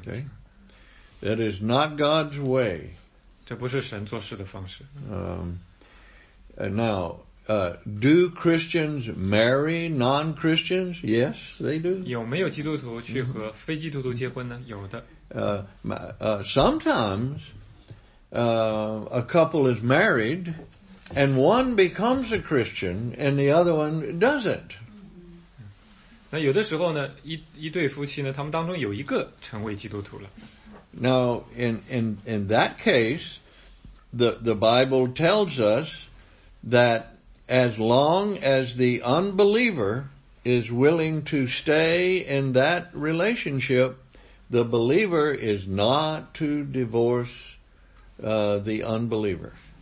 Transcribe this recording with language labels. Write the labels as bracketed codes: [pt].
[en] Okay. That is not God's way. [zh] 这不是神做事的方式。 [en] Now, do Christians marry non-Christians? Yes, they do. [zh] 有没有基督徒去和非基督徒结婚呢? 有的。 [en] Sometimes a couple is married and one becomes a Christian and the other one doesn't. [zh] 那有的时候呢，一对夫妻呢，他们当中有一个成为基督徒了。 [en] Now, in that case, the Bible tells us that as long as the unbeliever is willing to stay in that relationship, the believer is not to divorce the unbeliever.